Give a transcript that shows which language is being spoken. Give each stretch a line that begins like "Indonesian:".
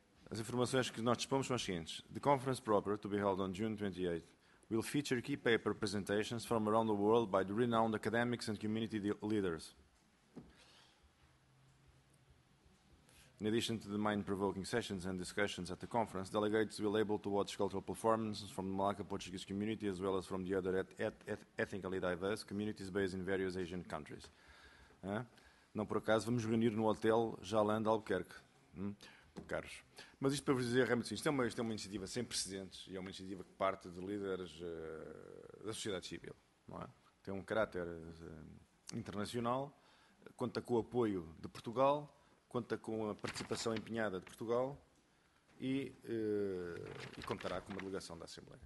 Portuguese: As informações que nós dispomos são as seguintes.
English: The conference proper, to be held on June 28th, will feature key paper presentations from around the world by the renowned academics and community leaders. In addition to the mind-provoking sessions and discussions at the conference, delegates will be able to watch cultural performances from the Malacca Portuguese community as well as from the other ethnically diverse communities based in various Asian countries.
Portuguese: Não por acaso vamos reunir no hotel Jalan de Albuquerque. Caros. Mas isto para vos dizer é muito simples. Isto é uma iniciativa sem precedentes e é uma iniciativa que parte de líderes da sociedade civil. Não é? Tem um caráter internacional, conta com o apoio de Portugal, conta com a participação empenhada de Portugal e contará com uma delegação da Assembleia.